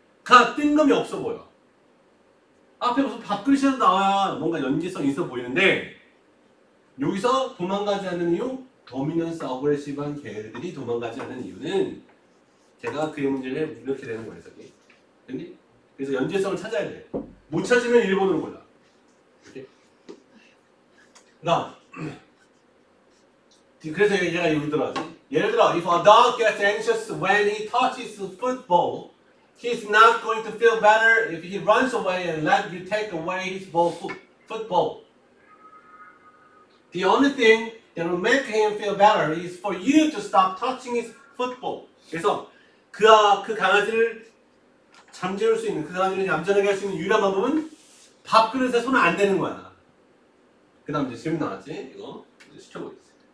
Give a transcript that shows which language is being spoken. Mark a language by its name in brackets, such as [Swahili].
[Korean] 가 뜬금이 없어 보여. 앞에 무슨 밥그릇이라도 나와야 뭔가 연계성이 있어 보이는데 여기서 도망가지 않는 이유, 도미넌스 어그레시브한 개들이 도망가지 않는 이유는 제가 그의 문제를 무력해 되는 거예요. 저기. 근데 그래서 연계성을 찾아야 돼. 못 찾으면 1번으로 골라. 나 그래서 얘가 이걸 들어가지. 예를 들어, [English] if a dog gets anxious when he touches football, he's not going to feel better if he runs away and let you take away his ball football. The only thing that will make him feel better is for you to stop touching his football. [Korean] 그래서 그 강아지를 잠재울 수 있는, 그 강아지를 얌전하게 할 수 있는 유일한 방법은 밥그릇에 손을 안 대는 거야. 그 다음 이제 질문 나왔지? 이거 이제 시켜보겠습니다.